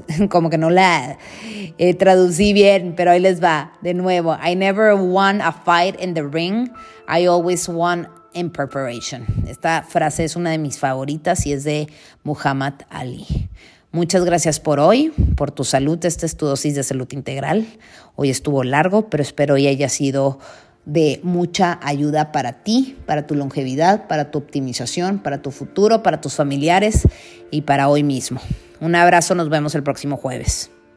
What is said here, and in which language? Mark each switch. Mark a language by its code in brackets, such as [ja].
[es] Como que no la traducí bien, pero ahí les va de nuevo. [en] I never won a fight in the ring. I always won in preparation. [es] Esta frase es una de mis favoritas y es de Muhammad Ali. Muchas gracias por hoy, por tu salud. Esta es tu dosis de salud integral. Hoy estuvo largo, pero espero y haya sido de mucha ayuda para ti, para tu longevidad, para tu optimización, para tu futuro, para tus familiares y para hoy mismo. Un abrazo, nos vemos el próximo jueves.